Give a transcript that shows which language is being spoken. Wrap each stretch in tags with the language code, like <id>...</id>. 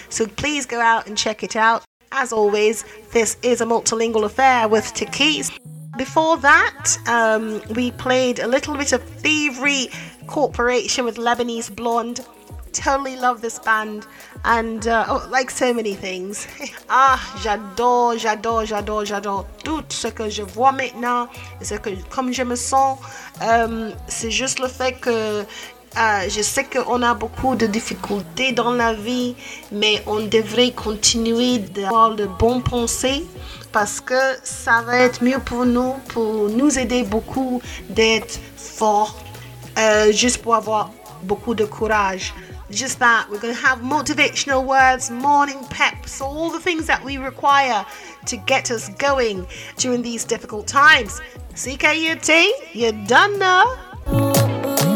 <en>So please go out and check it out. As always, this is a multilingual affair with Takeyce. Before that, we played a little bit of Thievery Corporation with Lebanese Blonde. Totally love this band, and like so many things.</en> <fr>Ah, j'adore tout ce que je vois maintenant, ce que comme je me sens. C'est juste le fait que je sais qu'on a beaucoup de difficultés dans la vie, mais on devrait continuer d'avoir de bonnes pensées parce que ça va être mieux pour nous aider beaucoup d'être fort, juste pour avoir beaucoup de courage.</fr> <en>Just that, we're going to have motivational words, morning pep, so all the things that we require to get us going during these difficult times. CKUT, you done now.</en>